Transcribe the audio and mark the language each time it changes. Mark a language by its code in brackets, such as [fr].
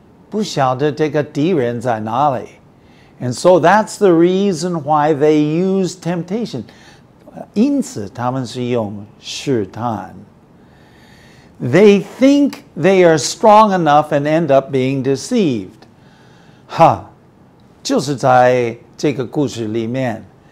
[zh] 不晓得这个敌人在哪里。 [en] And so that's the reason why they use temptation. [zh] 因此他们是用试探。 [en] They think they are strong enough and end up being deceived. [zh] 哈,就是在这个故事里面。